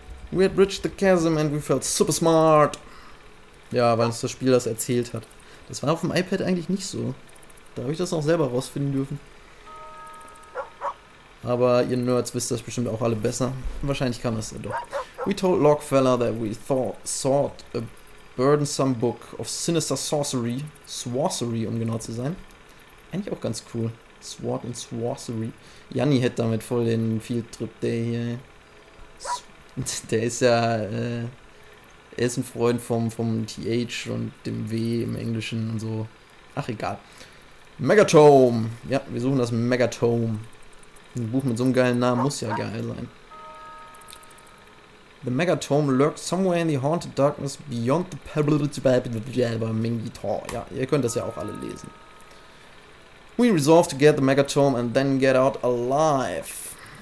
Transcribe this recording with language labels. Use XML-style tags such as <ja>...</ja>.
<en>We had bridged the chasm and we felt super smart.</en> <de>Ja, weil uns das Spiel das erzählt hat. Das war auf dem iPad eigentlich nicht so. Da habe ich das auch selber rausfinden dürfen. Aber ihr Nerds wisst das bestimmt auch alle besser. Wahrscheinlich kam das ja doch.</de> <en>We told Lockfeller that we sought a burdensome book of sinister sorcery.</en> <de>Sorcery, um genau zu sein. Eigentlich auch ganz cool. Sword and sorcery. Janni hätte damit voll den</de> <en>Field Trip Day</en> <de>hier. Der ist ja... Er ist ein Freund vom TH und dem W im Englischen und so. Ach, egal. Megatome. Ja, wir suchen das Megatome. Ein Buch mit so einem geilen Namen muss ja geil sein.</de> <en>The Megatome lurks somewhere in the haunted darkness beyond the pebble.</en> <de>Ja, ihr könnt das ja auch alle lesen.</de> <en>We resolve to get the Megatome and then get out alive.</en>